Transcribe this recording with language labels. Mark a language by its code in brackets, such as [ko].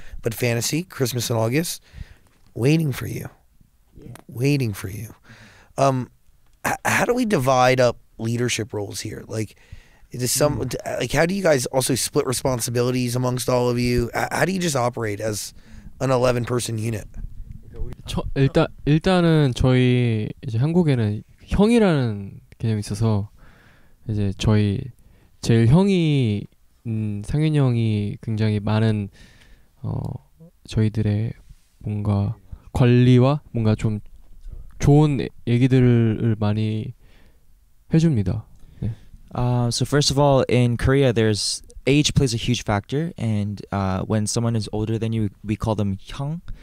[en] But Fantasy, Christmas in August, waiting for you. Yeah. Waiting for you. How do we divide up leadership roles here? Like, is some like, how do you guys also split responsibilities amongst all of you? How do you just operate as an 11-person unit? [ko] 일단은 저희 이제 한국에는 형이라는 개념이 있어서 이제 저희 제일 형이 상현이 형이 굉장히 많은 저희들의 뭔가 관리와 뭔가 좀 좋은 얘기들을 많이 해줍니다. [en] So first of all, in Korea, there's age plays a huge factor, and when someone is older than you, we call them 형.